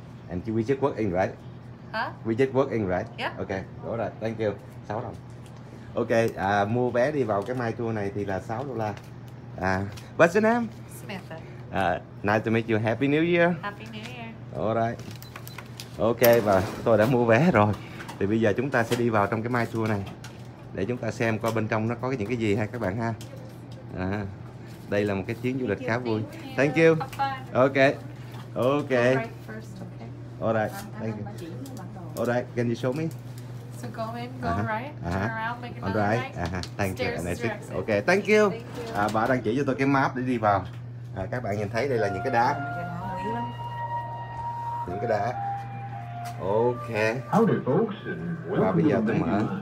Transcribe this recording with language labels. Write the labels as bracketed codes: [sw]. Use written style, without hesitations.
[en] And we just work in, right? Huh? We just work in, right? Yeah. Okay, all right, thank you. $6. [vi] Okay, mua vé đi vào cái My Tour này thì là $6. [en] What's your name? Samantha. Nice to meet you. Happy New Year. Happy New Year. All right. Okay, [vi] và tôi đã mua vé rồi. Thì bây giờ chúng ta sẽ đi vào trong cái My Tour này để chúng ta xem coi bên trong nó có những cái gì ha các bạn ha. Đây là một cái chuyến du lịch khá vui. [en] Thank you. Okay. Okay. All right. Thank you. All right. Can you show me? So go in, go right, turn around, make another right. Thank you. Stairs. Okay. Thank you. [vi] Bà đang chỉ cho tôi cái map để đi vào. Các bạn nhìn thấy đây là những cái đá. Những cái đá. Okay. Và bây giờ tôi mở.